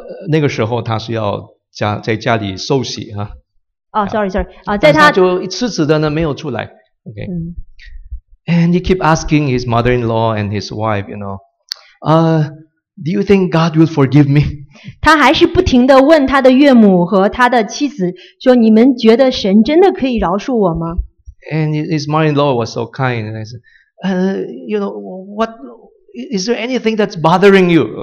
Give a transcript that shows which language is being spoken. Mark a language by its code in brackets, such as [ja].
[zh] 那个时候他是要在家里受洗哈。在他就迟迟的呢没有出来。 [en] And he keep asking his mother-in-law and his wife, you know, do you think God will forgive me? [zh] 他还是不停的问他的岳母和他的妻子，说你们觉得神真的可以饶恕我吗？ [en] And his mother-in-law was so kind, and I said, you know, what is there anything that's bothering you?